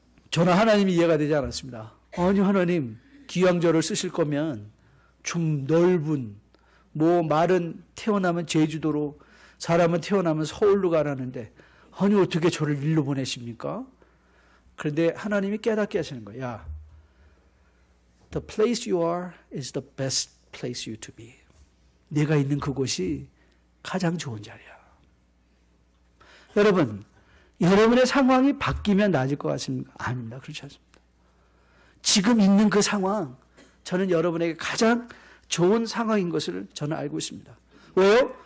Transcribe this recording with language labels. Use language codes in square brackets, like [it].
[ko] 저는 하나님이 이해가 되지 않았습니다. 아니, 하나님, 기왕 저를 쓰실 거면 좀 넓은, 뭐 말은 태어나면 제주도로, 사람은 태어나면 서울로 가라는데 아니, 어떻게 저를 일로 보내십니까? 그런데 하나님이 깨닫게 하시는 거예요. 야, [en] The place you are is the best place you to be. [ko] 내가 있는 그곳이 가장 좋은 자리야. 여러분, 여러분의 상황이 바뀌면 나아질 것 같습니까? 아닙니다. 그렇지 않습니다. 지금 있는 그 상황, 저는 여러분에게 가장 좋은 상황인 것을 저는 알고 있습니다. 왜요?